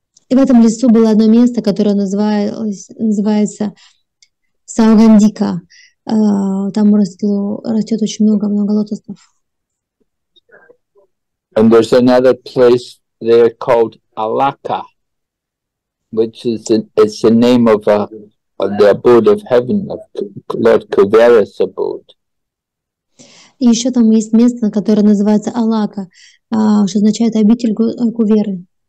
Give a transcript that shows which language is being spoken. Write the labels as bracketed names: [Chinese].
[Russian] И в этом лесу было одно место, которое называется Саугандика. Там растет очень много лотосов. [English] And there's another place there called Alaka, which is it's the name of the abode of heaven, of Lord Kuvera's abode. [Russian] И еще там есть место, которое называется Алака, что означает обитель Куверы.